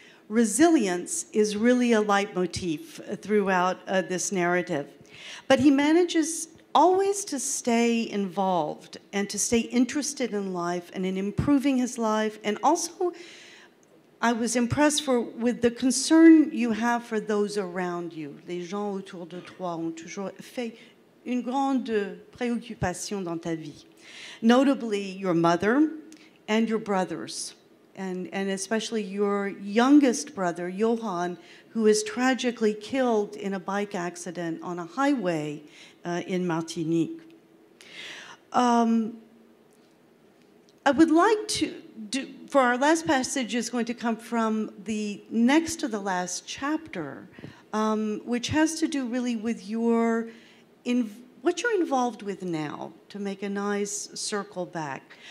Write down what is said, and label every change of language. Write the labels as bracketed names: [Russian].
[English] Resilience is really a leitmotif throughout this narrative. But he manages always to stay involved and to stay interested in life and in improving his life, and also I was impressed with the concern you have for those around you. [French] Les gens autour de toi ont toujours fait une grande préoccupation dans ta vie. [English] Notably, your mother and your brothers, and especially your youngest brother, Johan, who is tragically killed in a bike accident on a highway in Martinique. I would like to do, for our last passage is going to come from the next to the last chapter, which has to do really with your, what you're involved with now, to make a nice circle back.